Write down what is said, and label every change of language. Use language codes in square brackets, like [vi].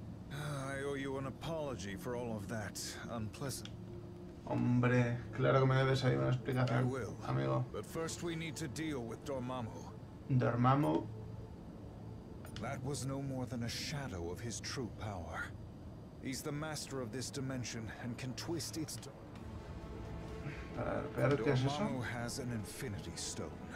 [en] I owe you an apology for all of that unpleasant. [es] Hombre, claro que me debes ahí una explicación, amigo. [en] But first we need to deal with Dormammu. Dormammu. That was no more than a shadow of his true power. He's the master of this dimension and can twist its. Dormammu has an infinity stone.